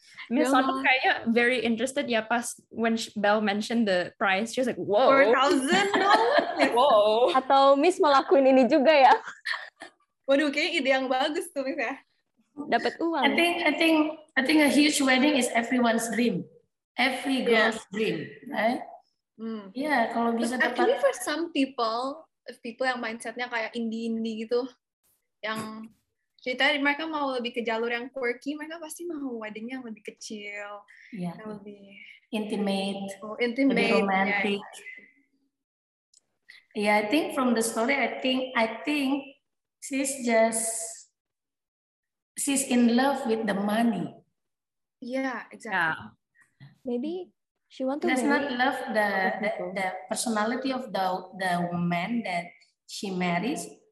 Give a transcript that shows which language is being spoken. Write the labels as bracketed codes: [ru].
[en] Miss Sondang [id] kayaknya [en] very interested ya pas when Belle mentioned the price. She was like, whoa. $4,000? Whoa. [id] Atau Miss melakuin ini juga ya. Waduh, kayaknya ide yang bagus tuh, Miss ya. Dapat uang. [en] I think a huge wedding is everyone's dream. Every girl's dream, right? Yeah, [id] kalau bisa dapat. [en] Actually for some people [id] yang mindsetnya kayak indie-indie gitu, yang ceritanya mereka mau lebih ke jalur yang quirky, mereka pasti mau wedding yang lebih kecil, yang lebih [en] intimate, [id] lebih [en] romantic. Yeah, I think from the story, I think she's in love with the money. Yeah, exactly. Yeah. Maybe she wants to. That's not love the personality of the man that she marries.